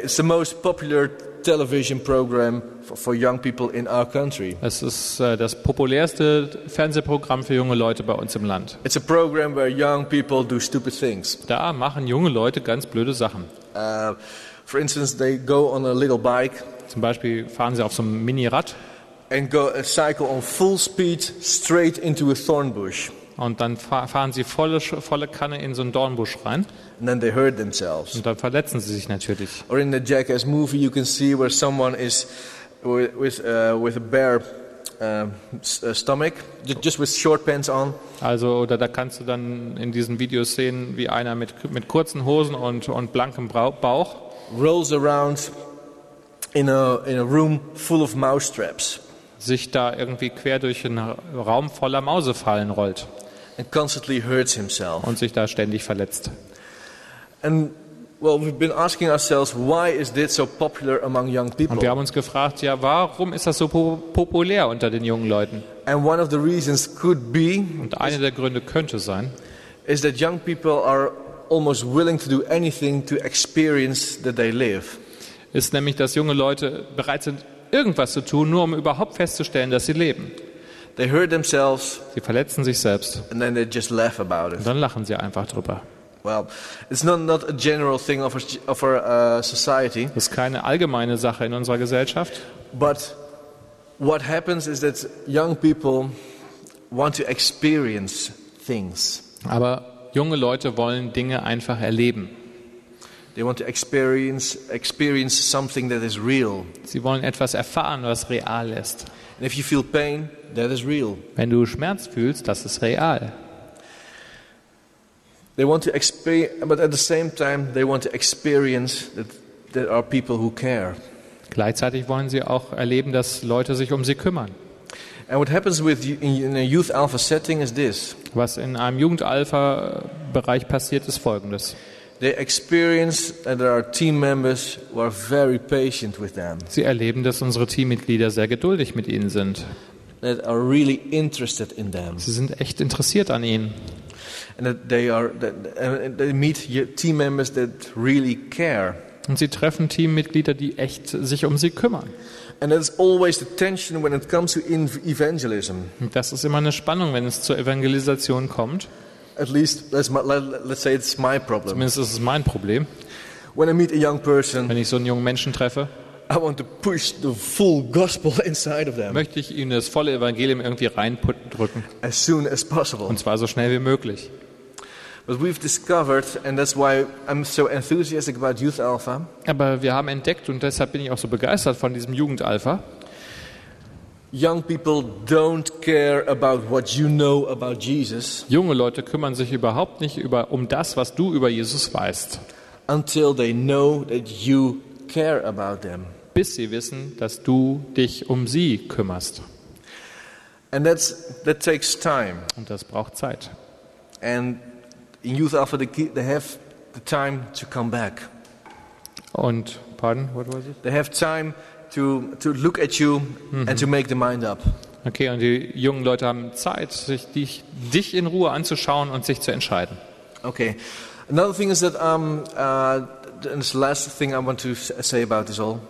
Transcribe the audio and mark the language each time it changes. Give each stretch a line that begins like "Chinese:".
English: It's the most popular television program for young people in our country.
German: Es ist das populärste Fernsehprogramm für junge Leute bei uns im Land.
English: It's a program where young people do stupid things.
German: Da machen junge Leute ganz blöde Sachen.
English: For instance, they go on a little bike.
German: Zum Beispiel fahren sie auf so einem Minirad.
English: And go a cycle on full speed straight into a thorn bush.
German: Und dann fahren sie volle Kanne in so einen Dornbusch rein.
English: And then they hurt themselves.
German: Und dann verletzen sie sich natürlich.
English: Or in the Jackass movie, you can see where someone is with a bare stomach, just with short pants on.
German: Also, oder da kannst du dann in diesen Videos sehen, wie einer mit kurzen Hosen und blankem Bauch
English: rolls around in a room full of mouse traps.
German: Sich da irgendwie quer durch einen Raum voller Mausefallen rollt.
English: And constantly hurts himself.
German: Und sich da ständig verletzt.
English: And well, we've been asking ourselves, why is this so popular among young people?
German: Und wir haben uns gefragt, ja, warum ist das so populär unter den jungen Leuten?
English: And one of the reasons could be.
German: Und einer der Gründe könnte sein.
English: Is that young people are almost willing to do anything to experience that they live.
German: Ist nämlich, dass junge Leute bereit sind, irgendwas zu tun, nur um überhaupt festzustellen, dass sie leben.
English: They hurt themselves.
German: Sie verletzen sich selbst.
English: And then they just laugh about it.
German: Und dann lachen sie einfach drüber.
English: Well, it's not a general thing of our society.
German: Das ist keine allgemeine Sache in unserer Gesellschaft.
English: But what happens is that young people want to experience things.
German: Aber junge Leute wollen Dinge einfach erleben.
English: They want to experience something that is real.
German: Sie wollen etwas erfahren, was real ist.
English: And if you feel pain, that is real.
German: Wenn du Schmerz fühlst, das ist real.
English: They want to but at the same time they want to experience that there are people who care.
German: Gleichzeitig wollen sie auch erleben, dass Leute sich um sie kümmern.
English: And what happens with in a youth alpha setting is this.
German: Was in einem Jugendalpha-Bereich passiert, ist Folgendes.
English: They experience that there are team members who are very patient with them.
German: Sie erleben, dass unsere Teammitglieder sehr geduldig mit ihnen sind.
English: That are really interested in them.
German: Sie sind echt interessiert an ihnen.
English: And that they meet team members that really care.
German: Und sie treffen Teammitglieder, die echt sich um sie kümmern.
English: And there's always the tension when it comes to evangelism.
German: Das ist immer eine Spannung, wenn es zur Evangelisation kommt.
English: At least let's say it's my problem.
German: Zumindest ist es mein Problem.
English: When I meet a young person,
German: wenn ich so einen jungen Menschen treffe,
English: I want to push the full gospel inside of them.
German: Möchte ich ihnen das volle Evangelium irgendwie reindrücken.
English: As soon as possible.
German: Und zwar so schnell wie möglich.
English: But we've discovered, and that's why I'm so enthusiastic about Youth Alpha.
German: Aber wir haben entdeckt, und deshalb bin ich auch so begeistert von diesem Jugendalpha.
English: Young people don't care about what you know about Jesus.
German: Junge Leute kümmern sich überhaupt nicht um das, was du über Jesus weißt.
English: Until they know that you care about them.
German: Bis sie wissen, dass du dich um sie kümmerst.
English: And that takes time.
German: Und das braucht Zeit.
English: And in Youth Alpha they have the time to come back.
German: Und pardon,
English: what was it? They have time to look at you and to make the mind up.
German: Okay, und die jungen Leute haben Zeit, sich dich in Ruhe anzuschauen und sich zu entscheiden. Okay.
English: Another thing is that and the last thing I want to say about this all.